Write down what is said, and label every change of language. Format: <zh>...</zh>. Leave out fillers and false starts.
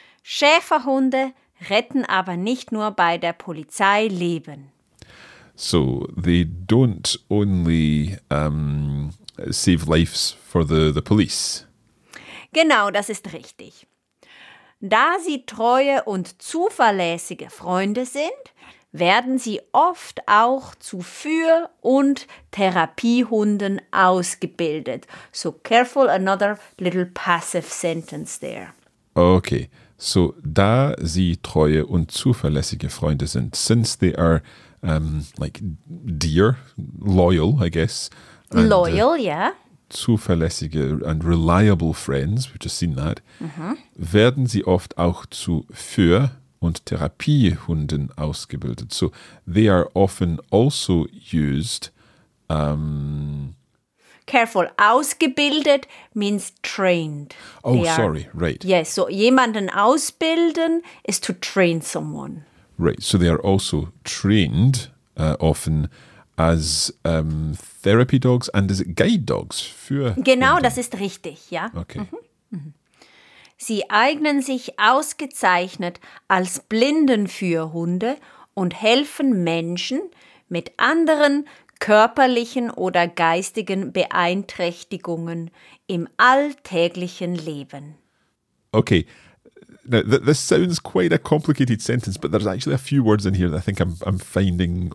<de>Schäferhunde retten aber nicht nur bei der Polizei Leben.</de> <en>So they don't only save lives for the police.</en> <de>Genau, das ist richtig. Da sie treue und zuverlässige Freunde sind, werden sie oft auch zu Führ- und Therapiehunden ausgebildet.</de> <en>So careful, another little passive sentence there. Okay, so</en> <de>da sie treue und zuverlässige Freunde sind,</de> <en>since they are like dear, loyal, I guess. Loyal, yeah. Zuverlässige and reliable friends, we've just seen that, mm-hmm.</en> <de>werden sie oft auch zu Führ- und Therapiehunden ausgebildet.</de> <en>So they are often also used careful. Ausgebildet means trained. Oh, sorry. Right. Yes. So</en> <de>jemanden ausbilden</de> <en>is to train someone. Right. So they are also trained often as therapy dogs and as guide dogs.</en> <de>Genau, das ist richtig. Ja.</de> <en>Okay.</en> <de>Sie eignen sich ausgezeichnet als Blindenführhunde und helfen Menschen mit anderen körperlichen oder geistigen Beeinträchtigungen im alltäglichen Leben.</de> <en>Okay, now this sounds quite a complicated sentence, but there's actually a few words in here that I think I'm finding.</en>